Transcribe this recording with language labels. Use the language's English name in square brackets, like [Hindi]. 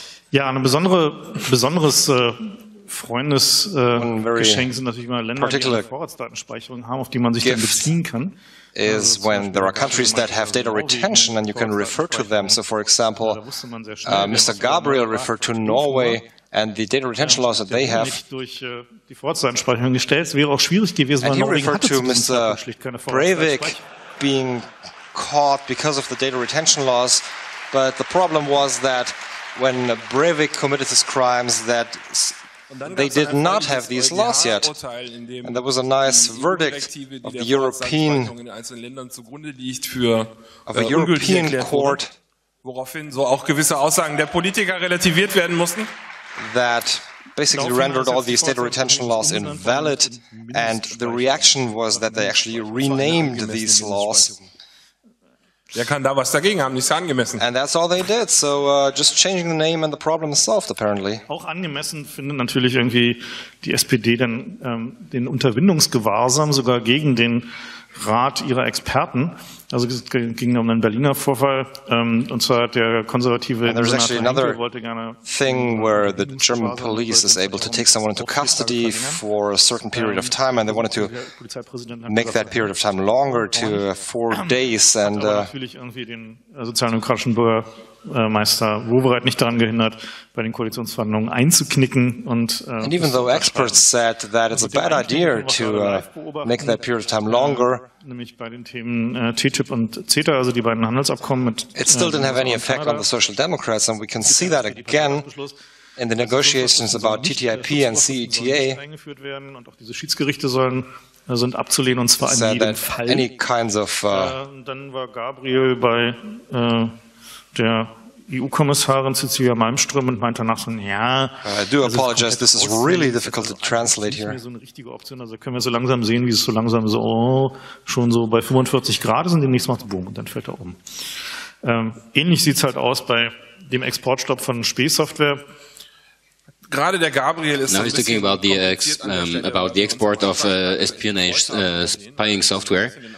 [German] Ja, ein besonderes Freundesgeschenk sind natürlich immer Länder, die eine Vorratsdatenspeicherung haben, auf die man sich dann beziehen kann. [English] Is when there are countries that have data retention and you can refer to them. So for example, Mr. Gabriel referred to Norway and the data retention laws that they have. And he referred to Mr. Breivik being caught because of the data retention laws. But the problem was that when Breivik committed his crimes, that they did not have these laws yet. And there was a nice verdict of the European, court, [German] woraufhin so auch gewisse Aussagen der Politiker relativiert werden mussten, [English] that basically rendered all these data retention laws invalid, and the reaction was that they actually renamed these laws. [German] Wer kann da was dagegen haben? Nicht angemessen. [English] And that's all they did. So just changing the name and the problem is solved, apparently. [German] Auch angemessen finden natürlich irgendwie die SPD dann den Unterbindungsgewahrsam sogar gegen den Rat ihrer Experten. Also es ging um einen Berliner Vorfall, und zwar der konservative Senator Hinkel wollte gerne... [English] There's actually another thing where the German police is able to take someone into custody for a certain period of time, and they wanted to make that period of time longer to 4 days, and... [German] natürlich irgendwie den sozialdemokratischen Bürgermeister Wobereit nicht daran gehindert, bei den Koalitionsverhandlungen einzuknicken und... [English] And even though experts said that it's a bad idea to make that period of time longer, [German] nämlich bei den Themen TTIP und CETA, also die beiden Handelsabkommen mit... [English] It still didn't have any effect on the Social Democrats, and we can see that again in the negotiations about TTIP and CETA. [German] Und auch diese Schiedsgerichte sollen sind abzulehnen, und zwar in jedem Fall. [English] Any kinds of, [German] dann war Gabriel bei der EU-Kommissarin Cecilia Malmström und meinte danach so, ja... [English] I do apologize, this is really difficult to translate here. [German] So eine richtige Option, also können wir so langsam sehen, wie es so langsam so, oh, schon so bei 45 Grad ist, und demnächst macht es boom, und dann fällt er um. Ähnlich sieht es halt aus bei dem Exportstopp von Spähsoftware. Gerade der Gabriel ist... [English] Now he's talking about the, about the export of espionage spying software.